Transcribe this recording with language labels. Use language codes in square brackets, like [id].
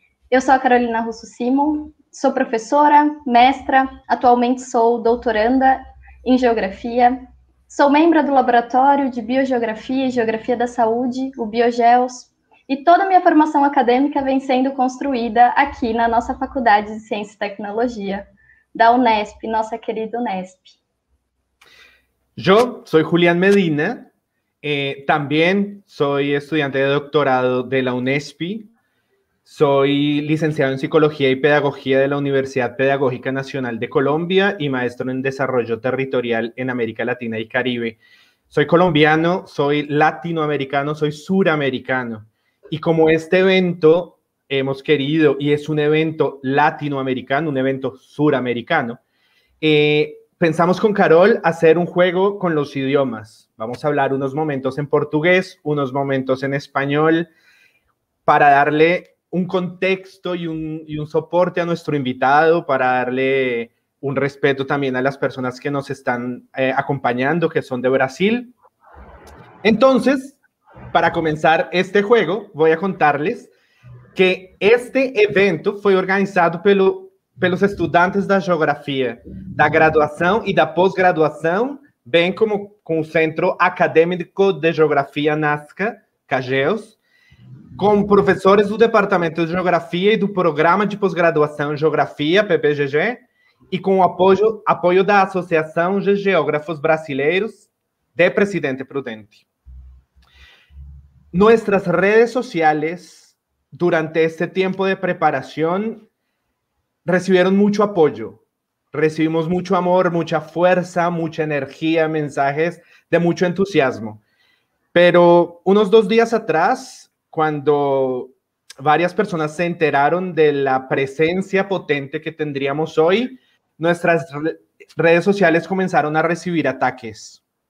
[pt] Eu sou a Carolina Russo Simon, sou professora, mestra, atualmente sou doutoranda em Geografia, sou membro do Laboratório de Biogeografia e Geografia da Saúde, o BioGeos, e toda a minha formação acadêmica vem sendo construída aqui na nossa Faculdade de Ciência e Tecnologia, da Unesp, nossa querida Unesp. [es] Yo soy Julián Medina, también soy estudiante de doctorado de la UNESPI, soy licenciado en Psicología y Pedagogía de la Universidad Pedagógica Nacional de Colombia y maestro en Desarrollo Territorial en América Latina y Caribe. Soy colombiano, soy latinoamericano, soy suramericano. Y como este evento hemos querido y es un evento latinoamericano, un evento suramericano, pensamos con Carol hacer un juego con los idiomas. Vamos a hablar unos momentos en portugués, unos momentos en español, para darle un contexto y un soporte a nuestro invitado, para darle un respeto también a las personas que nos están acompañando, que son de Brasil. Entonces, para comenzar este juego, voy a contarles que este evento fue organizado [pt] pelos estudantes da geografia, da graduação e da pós-graduação, bem como com o Centro Acadêmico de Geografia NASCA, CAGEOS, com professores do Departamento de Geografia e do Programa de Pós-Graduação em Geografia, PPGG, e com o apoio da Associação de Geógrafos Brasileiros de Presidente Prudente. Nossas redes sociais, durante este tempo de preparação, [es] recibieron mucho apoyo, recibimos mucho amor, mucha fuerza, mucha energía, mensajes de mucho entusiasmo. Pero unos 2 días atrás, cuando varias personas se enteraron de la presencia potente que tendríamos hoy, nuestras redes sociales comenzaron a recibir ataques.